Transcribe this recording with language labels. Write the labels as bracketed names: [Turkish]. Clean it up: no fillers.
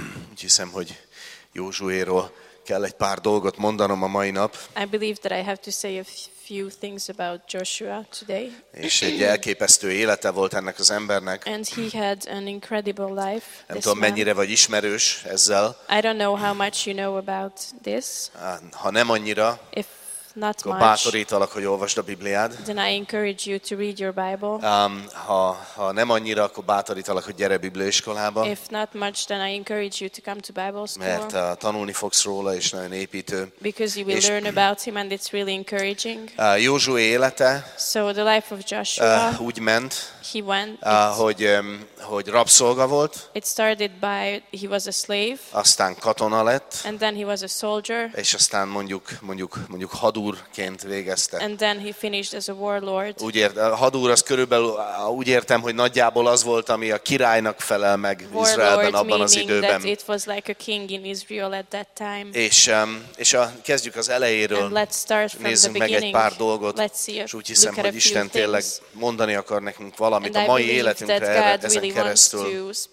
[Hungarian] Úgy hiszem, hogy Józsuéról kell egy pár dolgot mondanom a mai nap. [English] I believe that I have to say a few things about Joshua today. [Hungarian] És egy elképesztő élete volt ennek az embernek. [English] And he had an incredible life. [Hungarian] Nem tudom, mennyire vagy ismerős ezzel. [English] I don't know how much you know about this. [Hungarian] Ha nem annyira, [English] if not [Hungarian] akkor bátorítalak, hogy olvasd a Bibliád. [English] Then I encourage you to read your Bible. [Hungarian] Ha nem annyira, akkor bátorítalak, hogy gyere Bibliaiskolába. [English] If not much, then I encourage you to come to Bible school. [Hungarian] Mert tanulni fogsz róla, és nagyon építő. [English] Because you will learn about him, and it's really encouraging. [Hungarian] Józsué élete. [English] So the life of Joshua. [Hungarian] Úgy ment. [English] he went. [Hungarian] Hogy rabszolga volt. [English] It started by he was a slave. [Hungarian] Aztán katona lett. [English] And then he was a soldier. [Hungarian] És aztán mondjuk hadúrként végezte. [English] And then he finished as a warlord. [Hungarian] Úgy értem, hadúr az körülbelül úgy értem, hogy nagyjából az volt, ami a királynak felel meg [English] warlord [Hungarian] Izraelben abban az időben. [English] That it was like a king in Israel at that time. [Hungarian] És kezdjük az elejéről. [English] And let's start from [Hungarian] nézzünk [English] the [Hungarian] meg egy pár dolgot. [English] Let's see. [Hungarian] És úgy hiszem, hogy Isten tényleg mondani akar nekünk valamit a mai életünkre ezen keresztül.